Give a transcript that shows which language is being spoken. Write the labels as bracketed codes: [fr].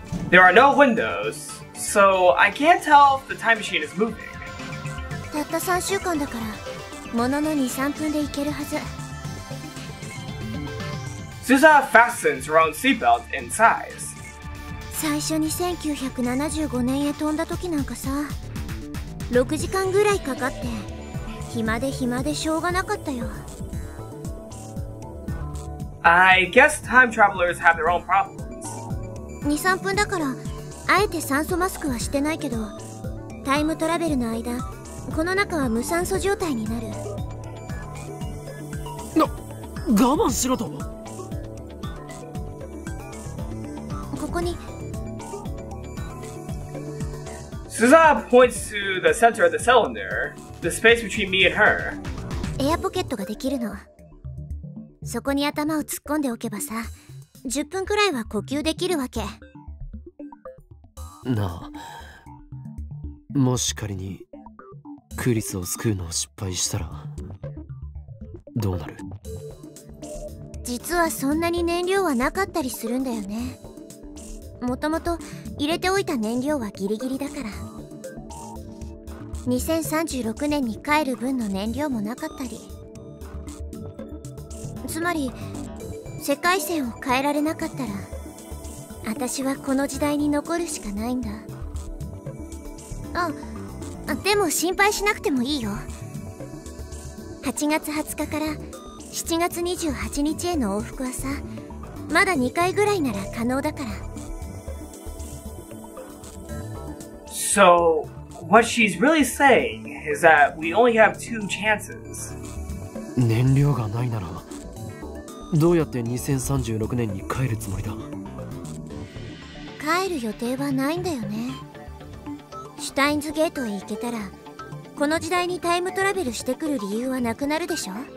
[en] There are no windows, so I can't tell if the time machine is moving. [ja] たった3週間だから、ものの2、3分で行けるはず。 [en] Suzuha fastens her own seatbelt and sighs. [ja] 最初に1975年へ飛んだ時なんかさ、6時間ぐらいかかって、暇で暇でしょうがなかったよ。 [en] I guess time travelers have their own problems. [ja] 2、3 分だから、あえて酸素マスクはしてないけど、タイムトラベルの間、この中は無酸素状態になる。な、我慢しろと。ここに。 [en] Suzuha points to the center of the cylinder, the space between me and her. [ja] エアポケットができるの。そこに頭を突っ込んでおけばさ、10分くらいは呼吸できるわけ。なあ、もし仮にクリスを救うのを失敗したらどうなる？実はそんなに燃料はなかったりするんだよね。もともと入れておいた燃料はギリギリだから、2036年に帰る分の燃料もなかったり。つまり世界線を変えられなかったら、私はこの時代に残るしかないんだ。あ、でも心配しなくてもいいよ。8月20日から7月28日への往復はさ、まだ2回ぐらいなら可能だから。 [en] So, what she's really saying is that we only have two chances. [ja] 燃料がないなら、どうやって2036年に帰るつもりだ？帰る予定はないんだよね。シュタインズゲートへ行けたら、この時代にタイムトラベルしてくる理由はなくなるでしょ？